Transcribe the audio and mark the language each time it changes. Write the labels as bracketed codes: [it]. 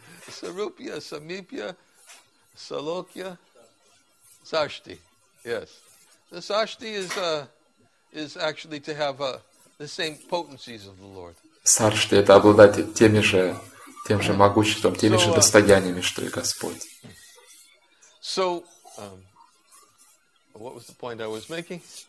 [ru] Сарупья, самипья, салокья, сашти. [en] Yes. The sashti is actually to have the same potencies of the Lord. [ru] Сашти — это обладать тем же могуществом, теми же достояниями, что и Господь. [en] So, what was the point I was making?